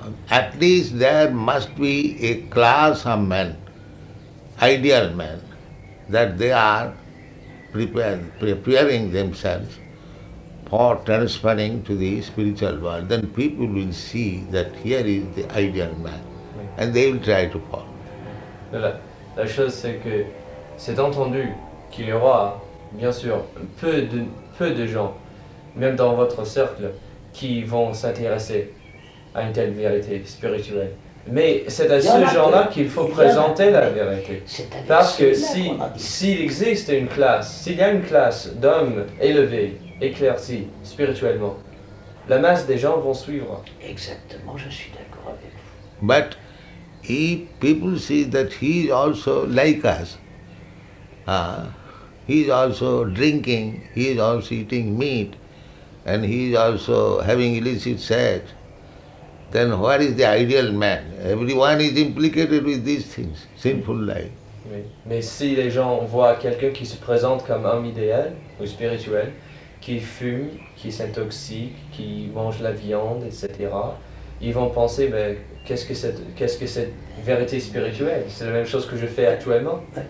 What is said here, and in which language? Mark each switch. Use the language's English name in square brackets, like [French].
[English] At least there must be a class of men, ideal men, that they are preparing themselves for transferring to the spiritual world. Then people will see that here is the ideal man, and they will try to follow. [French] La chose c'est que c'est entendu qu'il y aura bien sûr peu de gens, même dans votre cercle, qui vont s'intéresser à une telle vérité spirituelle. Mais c'est à ce genre-là qu'il faut présenter la vérité. Parce que s'il existe une classe, s'il y a une classe d'hommes élevés, éclaircis spirituellement, la masse des gens vont suivre. Exactement, je suis d'accord avec vous. [English] But if people see that he is also like us, he is also drinking, he is also eating meat, and he is also having illicit sex, then what is the ideal man? Everyone is implicated with these things, sinful life. [French] Oui. Mais si les gens voient quelqu'un qui se présente comme homme idéal ou spirituel, qui fume, qui s'intoxique, qui mange la viande, etc., ils vont penser, ben, qu'est-ce que cette vérité spirituelle? C'est la même chose que je fais actuellement.